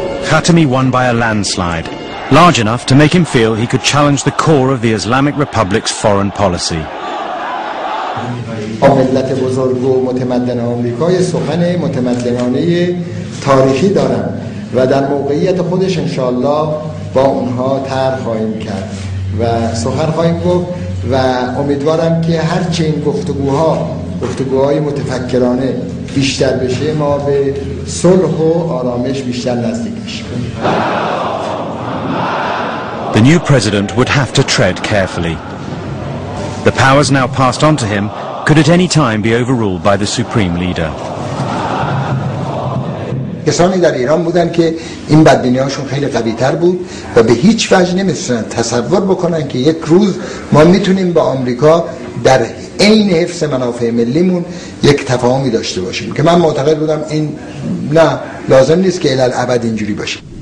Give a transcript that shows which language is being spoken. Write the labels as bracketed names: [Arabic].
[English] Khatami won by a landslide, large enough to make him feel he could challenge the core of the Islamic Republic's foreign policy. [Persian] ملت بزرگ و متمدن آمریکای سخن متمدنانه تاریخی دارم و در موقعیت خودش انشاءالله با اونها طرح خواهیم کرد و سخن خواهیم گفت و امیدوارم که هرچه این گفتگوهای متفکرانه بیشتر بشه ما به صلح و آرامش بیشتر نزدیک بشیم. [English] The new president would have to tread carefully. The powers now passed on to him could at any time be overruled by the supreme leader. [Persian] کسانی در ایران بودن که این بدبینی هاشون خیلی قوی تر بود و به هیچ وجه نمیتونن تصور بکنن که یک روز ما میتونیم با آمریکا در این حفظ منافع ملیمون یک تفاهمی داشته باشیم، که من معتقد بودم این نه لازم نیست که الالعبد اینجوری باشه.